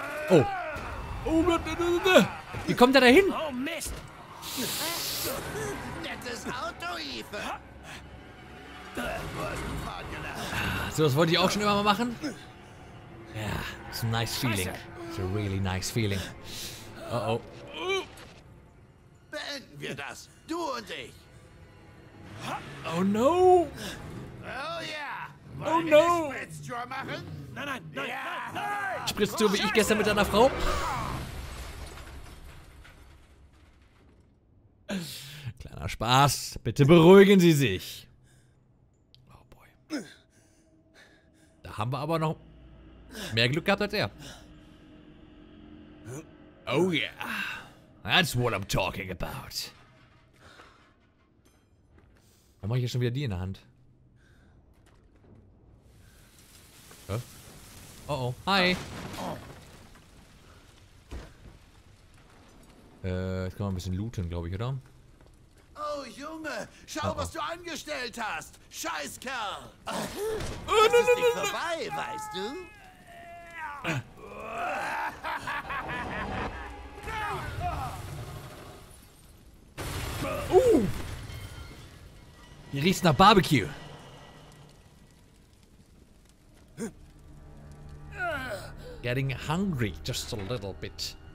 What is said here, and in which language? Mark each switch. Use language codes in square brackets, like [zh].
[de] Oh. Oh Gott, wie kommt er da hin? Oh Mist! Nettes Auto, Eva! So, das wollte ich auch schon immer mal machen. Ja, [en] yeah, it's a nice feeling. It's a really nice feeling. Uh-oh. [de] Beenden wir das. Du und ich. [en] Oh no. Oh yeah. Oh no. [de] Spritztour machen? Nein. Ja. Spritztour wie ich gestern mit deiner Frau? Kleiner Spaß. Bitte beruhigen Sie sich. Da haben wir aber noch mehr Glück gehabt als er. [en] Oh yeah. That's what I'm talking about. [de] Warum mache ich jetzt schon wieder die in der Hand? Hä? Oh oh. Hi. Jetzt kann man ein bisschen looten, glaube ich, oder? Oh Junge, schau, was du angestellt hast. Scheißkerl. Das ist nicht vorbei, weißt du? Hier riecht's nach Barbecue. [en] Getting hungry just a little bit.